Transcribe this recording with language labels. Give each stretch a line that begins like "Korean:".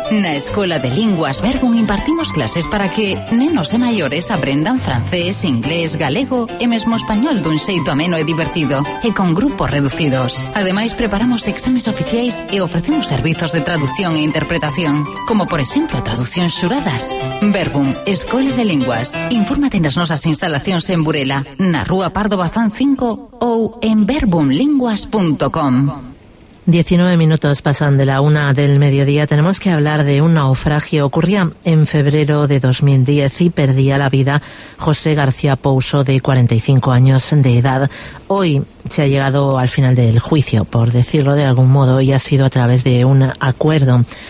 Galician: En la Escuela de Lenguas Verbum impartimos clases para que nenos e maiores aprendan francés, inglés, galego e mesmo español dun xeito ameno e divertido, e con grupos reducidos. Ademais, preparamos exames oficiais e ofrecemos servizos de traducción e interpretación, como por exemplo traducción xuradas. Verbum, Escuela de Lenguas. Infórmate nas nosas instalacións en Burela, na Rúa Pardo Bazán 5 ou en verbumlinguas.com.
Spanish: 19 minutos pasan de la 1 del mediodía. Tenemos que hablar de un naufragio. Ocurría en febrero de 2010 y perdía la vida José García Pouso, de 45 años de edad. Hoy se ha llegado al final del juicio, por decirlo de algún modo, y ha sido a través de un acuerdo.